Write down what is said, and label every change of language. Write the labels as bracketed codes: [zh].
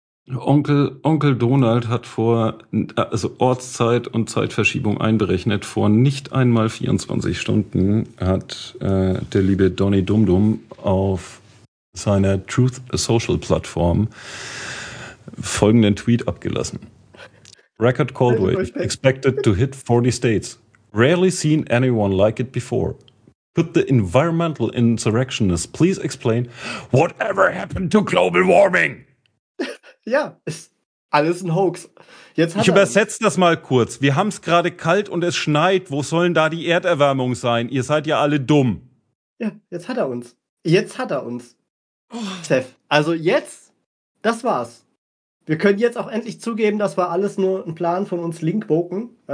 [de] Onkel Donald hat Ortszeit und Zeitverschiebung einberechnet, vor nicht einmal 24 Stunden hat der liebe Donny Dumdum auf seiner Truth Social Plattform folgenden Tweet abgelassen. [en] Record cold wave expected to hit 40 states. Rarely seen anyone like it before. Could the environmental insurrectionists please explain whatever happened to global warming? [de] Ja, ist alles ein Hoax. Ich übersetze das mal kurz. Wir haben es gerade kalt und es schneit. Wo sollen da die Erderwärmung sein? Ihr seid ja alle dumm. Ja, jetzt hat er uns. Jetzt hat er uns. Oh. Seth, also jetzt, das war's. Wir können jetzt auch endlich zugeben, das war alles nur ein Plan von uns Linkwoken.